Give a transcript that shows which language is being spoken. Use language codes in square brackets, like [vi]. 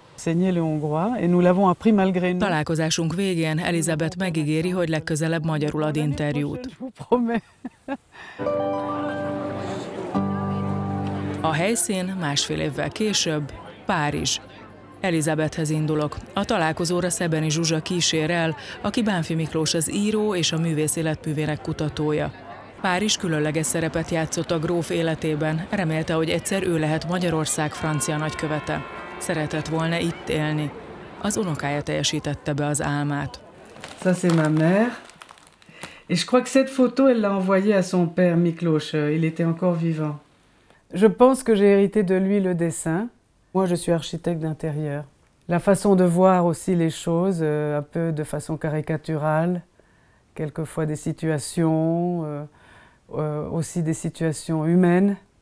[fr] Saigner le hongrois et nous l'avons appris malgré nous. [hu] Találkozásunk végén Elizabeth megígéri, hogy legközelebb magyarul ad interjút. A helyszín másfél évvel később Párizs. Elizabethhez indulok. A találkozóra Szebeni Zsuzsa kísérel, aki Banffy Miklós az író és a művész életművének kutatója. Párizs különleges szerepet játszott a gróf életében, remélte, hogy egyszer ő lehet Magyarország francia nagykövete. Szeretett volna itt élni. Az unokája teljesítette be az álmát. [fr] Ça c'est ma mère. Et je crois que cette photo elle l'a envoyée à son père Miklós, il était encore vivant. Je pense que j'ai hérité de lui le dessin. Moi, je suis architecte d'intérieur. La façon de voir aussi les choses, un peu de façon caricaturale, quelquefois des situations, aussi des situations humaines.